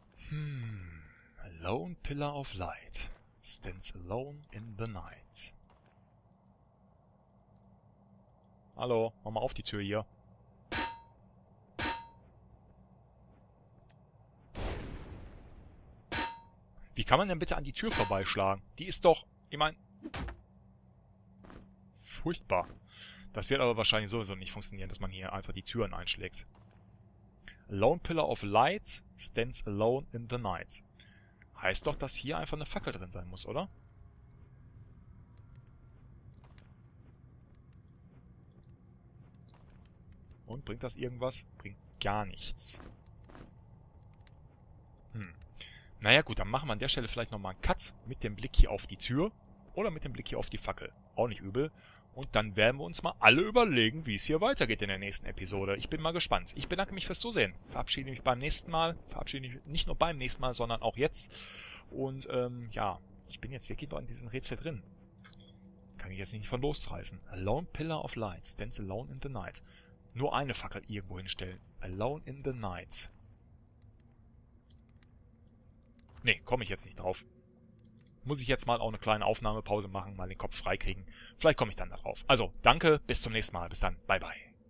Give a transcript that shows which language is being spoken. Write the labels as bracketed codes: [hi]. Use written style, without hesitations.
[en] A lone pillar of light stands alone in the night. [de] Hallo, mach mal auf die Tür hier. Wie kann man denn bitte an die Tür vorbeischlagen? Die ist doch, ich meine, furchtbar. Das wird aber wahrscheinlich sowieso nicht funktionieren, dass man hier einfach die Türen einschlägt. [en] Lone Pillar of Light stands alone in the night. [de] Heißt doch, dass hier einfach eine Fackel drin sein muss, oder? Und bringt das irgendwas? Bringt gar nichts. Naja gut, dann machen wir an der Stelle vielleicht nochmal einen Cut mit dem Blick hier auf die Tür oder mit dem Blick hier auf die Fackel. Auch nicht übel. Und dann werden wir uns mal alle überlegen, wie es hier weitergeht in der nächsten Episode. Ich bin mal gespannt. Ich bedanke mich fürs Zusehen. Verabschiede mich beim nächsten Mal. Verabschiede mich nicht nur beim nächsten Mal, sondern auch jetzt. Und ja, ich bin jetzt wirklich noch in diesem Rätsel drin. Kann ich jetzt nicht von losreißen. [en] A lone pillar of light stands alone in the night. [de] Nur eine Fackel irgendwo hinstellen. [en] Alone in the night. [de] Nee, komme ich jetzt nicht drauf. Muss ich jetzt mal auch eine kleine Aufnahmepause machen, mal den Kopf freikriegen. Vielleicht komme ich dann darauf. Also, danke, bis zum nächsten Mal. Bis dann. Bye, bye.